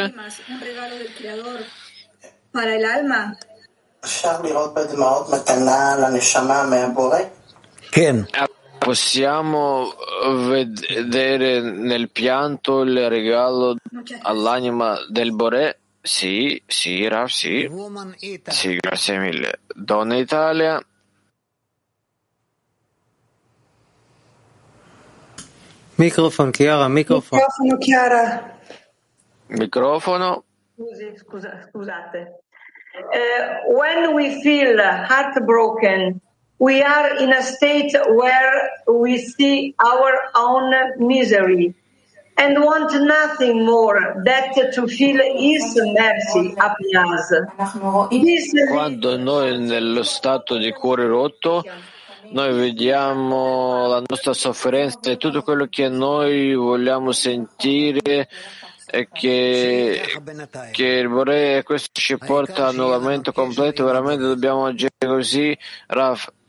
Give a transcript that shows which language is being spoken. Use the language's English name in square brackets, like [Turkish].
[Spanish] Un regalo del creador para el alma. [Hebrew] Ken. [Italian] Possiamo vedere nel pianto il regalo all'anima del Bore? Sì, Rav, sì. [English] Woman Italia. [Italian] Sì, grazie mille. Donne Italia. Microfono, Chiara, microfono. Microfono, Chiara. Microfono. Scusate. [English] When we feel heartbroken, we are in a state where we see our own misery and want nothing more than to feel His mercy upon us. [Italian] Quando noi nello stato di cuore rotto, noi vediamo la nostra sofferenza e tutto quello che noi vogliamo sentire è che il Bore, questo ci porta a annullamento completo, veramente dobbiamo agire così, Raf.